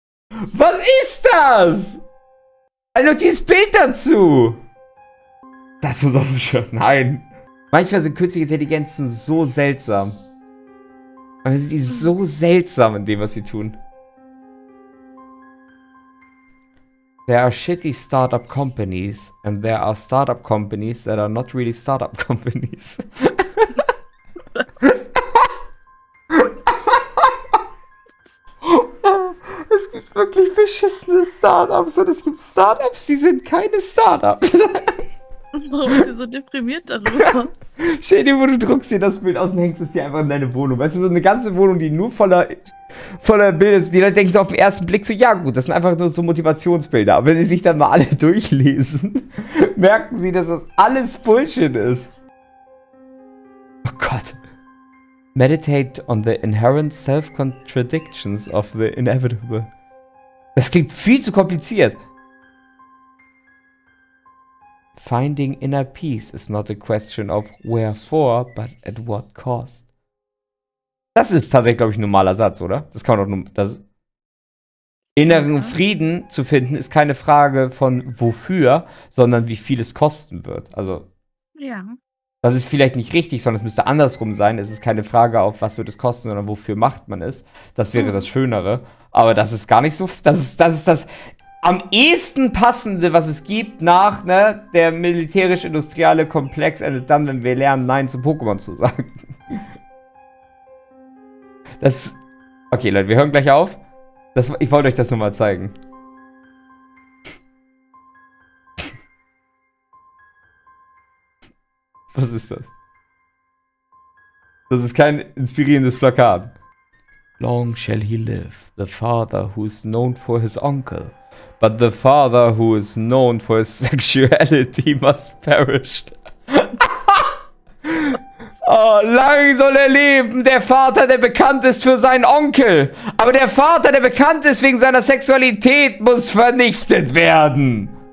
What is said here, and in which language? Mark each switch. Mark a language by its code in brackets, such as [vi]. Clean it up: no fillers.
[de] Was ist das? Ein Notizbild dazu. Das muss auf dem Shirt. Nein. Manchmal sind künstliche Intelligenzen so seltsam. Aber sie ist so seltsam in dem, was sie tun. [en] There are shitty startup companies and there are startup companies that are not really startup companies. [de] Es gibt wirklich beschissene Startups und es gibt Startups, die sind keine Startups. Warum ist sie so deprimiert darüber? Schädi, wo du druckst dir das Bild aus und hängst es dir einfach in deine Wohnung. Weißt du, so eine ganze Wohnung, die nur voller Bilder ist. Die Leute denken so auf den ersten Blick so, ja gut, das sind einfach nur so Motivationsbilder. Aber wenn sie sich dann mal alle durchlesen, merken sie, dass das alles Bullshit ist. Oh Gott. [en] Meditate on the inherent self-contradictions of the inevitable. [de] Das klingt viel zu kompliziert. [en] Finding inner peace is not a question of wherefore, but at what cost. [de] Das ist tatsächlich, glaube ich, ein normaler Satz, oder? Das kann man doch nur. Das inneren Frieden zu finden ist keine Frage von wofür, sondern wie viel es kosten wird. Also. Ja. Das ist vielleicht nicht richtig, sondern es müsste andersrum sein. Es ist keine Frage auf was wird es kosten, sondern wofür macht man es. Das wäre das Schönere. Aber das ist gar nicht so. Das ist das am ehesten passende, was es gibt nach, ne, der militärisch-industriale Komplex endet dann, wenn wir lernen, Nein zu Pokémon zu sagen. Das. Okay, Leute, wir hören gleich auf. Ich wollte euch das nur mal zeigen. Was ist das? Das ist kein inspirierendes Plakat. [en] Long shall he live, the father who is known for his uncle. But the father who is known for his sexuality must perish. [de] Oh, lang soll er leben, der Vater, der bekannt ist für seinen Onkel. Aber der Vater, der bekannt ist wegen seiner Sexualität, muss vernichtet werden.